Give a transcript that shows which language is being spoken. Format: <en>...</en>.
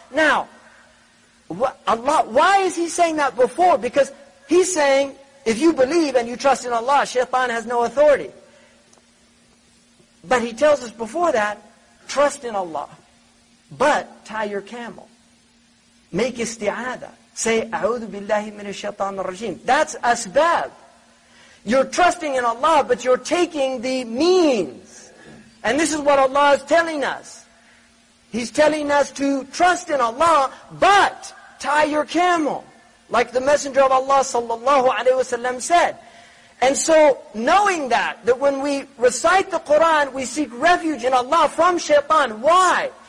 <en>Now, Allah, why is he saying that before? Because he's saying, if you believe and you trust in Allah, shaitan has no authority. But he tells us before that, trust in Allah. But tie your camel. Make isti'adha.</en> <ar>Say, أَعُوذُ بِاللَّهِ مِنَ الشَّيْطَانِ الرَّجِيمِ.</ar> <en>That's asbab. You're trusting in Allah, but you're taking the means. And this is what Allah is telling us. He's telling us to trust in Allah, but tie your camel. Like the Messenger of Allah sallallahu alayhi wa sallam said. And so, knowing that when we recite the Qur'an, we seek refuge in Allah from shaitan. Why?</en>